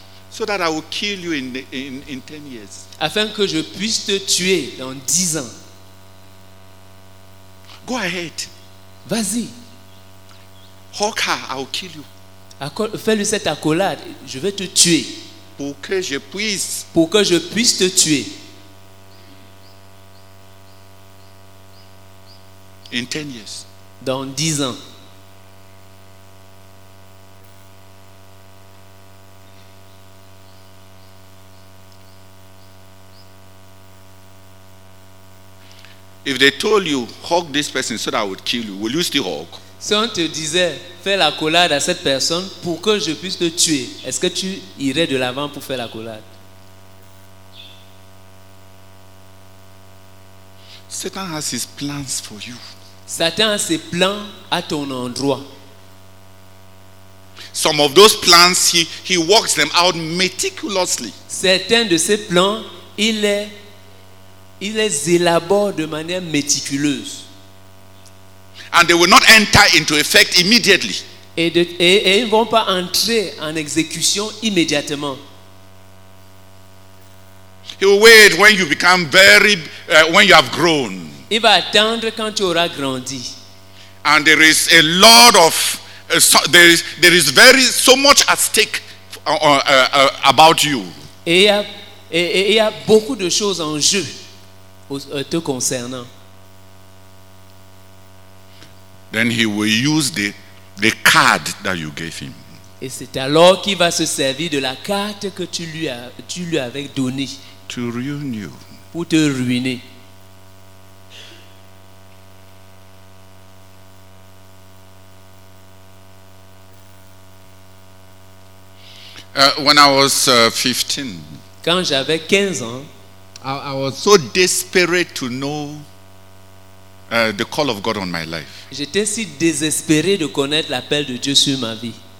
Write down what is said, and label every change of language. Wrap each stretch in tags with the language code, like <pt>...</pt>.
<en>So that I will kill you in 10 years.</en> <fr>Afin que je puisse te tuer dans 10 ans.</fr> <en>Go ahead.</en> <fr>Vas-y.</fr> <en>Hug her, I will kill you.</en> <fr>Fais-lui cette accolade, je vais te tuer. Pour que je puisse te tuer.</fr> <en>In 10 years.</en> <fr>Dans 10 ans.</fr> <en>If they told you hug this person so that I would kill you, will you still hug?</en> <fr>Si on te disait fais la collade à cette personne pour que je puisse te tuer, est-ce que tu irais de l'avant pour faire la collade?</fr> <en>Satan has his plans for you.</en> <fr>Satan a ses plans à ton endroit.</fr> <en>Some of those plans he works them out meticulously.</en> <fr>Certains de ses plans, il les élabore de manière méticuleuse.</fr> <en>And they will not enter into effect immediately.</en> <fr>Et ils ne vont pas entrer en exécution immédiatement.</fr> <en>He will wait when you become very when you have grown.</en> <fr>Il va attendre quand tu auras grandi.</fr> <en>And there is a lot of there is very so much at stake about you.</en> <fr>Et il y a beaucoup de choses en jeu te concernant.</fr> <en>Then he will use the card that you gave him.</en> <fr>Et c'est alors qu'il va se servir de la carte que tu lui avais donnée.</fr> <en>To ruin you.</en> <fr>Pour te ruiner.</fr> <en>When I was 15.</en> <fr>Quand j'avais 15 ans.</fr> <en>I was so desperate to know the call of God on my life.</en> <fr>J'étais si désespéré de connaître l'appel de Dieu sur ma vie.</fr>